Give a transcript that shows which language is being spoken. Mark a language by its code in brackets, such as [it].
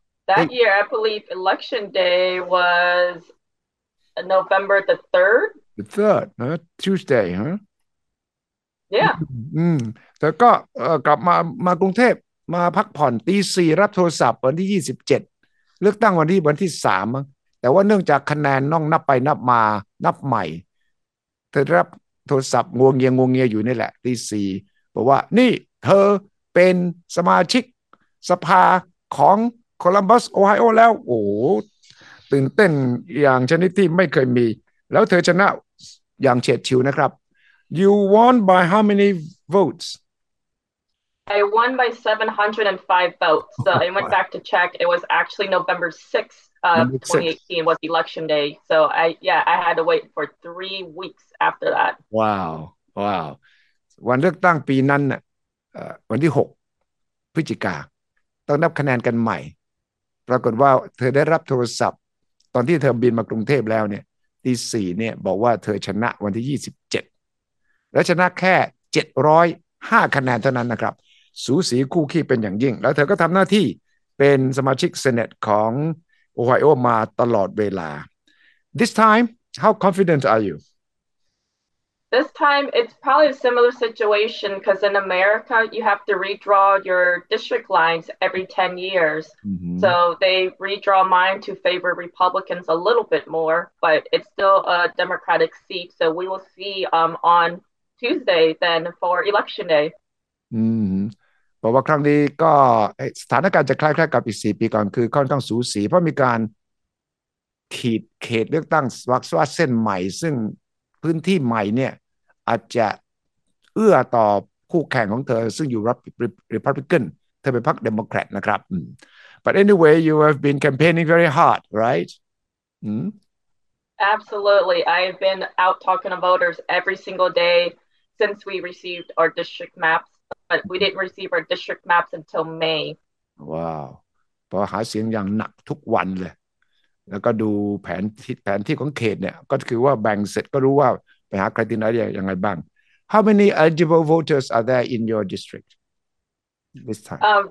[en] That year, I believe election day was November the 3rd. The 3rd, Tuesday, huh? Yeah. [th] แต่ก็กลับมากรุงเทพมาพักผ่อนตีสี่รับโทรศัพท์วันที่27เลือกตั้งวันที่สามแต่ว่าเนื่องจากคะแนนน้องนับไปนับมานับใหม่ เธอรับโทรศัพท์งวงเงียอยู่นี่แหละที่4บอกว่านี่เธอเป็นสมาชิกสภาของโคลัมบัสโอไฮโอแล้วโอ้ตื่นเต้นอย่างชนิดที่ไม่เคยมีแล้วเธอชนะอย่างเฉียดฉิวนะครับ [en] You won by how many votes I won by 705 votes so I went back to check it was actually November 6thOf 2018 was election day, so I had to wait for 3 weeks after that. Wow. [th] วันเลือกตั้งปีนั้นวันที่6พฤศจิกาต้องนับคะแนนกันใหม่ปรากฏว่าเธอได้รับโทรศัพท์ตอนที่เธอบินมากรุงเทพแล้วเนี่ยที่4เนี่ยบอกว่าเธอชนะวันที่27และชนะแค่705คะแนนเท่านั้นนะครับสูสีคู่ขี้เป็นอย่างยิ่งแล้วเธอก็ทำหน้าที่เป็นสมาชิกเซเนตของOhio มาตลอดเวลา [en] This time, how confident are you? This time it's probably a similar situation because in America you have to redraw your district lines every 10 years. So they redraw mine to favor Republicans a little bit more, but it's still a Democratic seat. So we will see on Tuesday then for Election Day. [th] เพราะว่าครั้งนี้ก็สถานการณ์จะคล้ายๆกับอีก4ปีก่อนคือค่อนข้างสูสีเพราะมีการขีดเขตเลือกตั้งวรรคสวัสดิ์เส้นใหม่ซึ่งพื้นที่ใหม่เนี่ยอาจจะเอื้อต่อคู่แข่งของเธอซึ่งอยู่รับริพับลิกันเธอเป็นพรรคเดโมแครตนะครับ [en] But anyway you have been campaigning very hard right Absolutely. I have been out talking to voters every single day since we received our district maps, but we didn't receive our district maps until May. [th] ว้าวพอหาเสียงอย่างหนักทุกวันเลยแล้วก็ดูแผนที่ของเขตเนี่ยก็คือว่าแบ่งเสร็จก็รู้ว่าไปหาใครที่ไหนยังไงบ้าง [en] How many eligible voters are there in your district this time?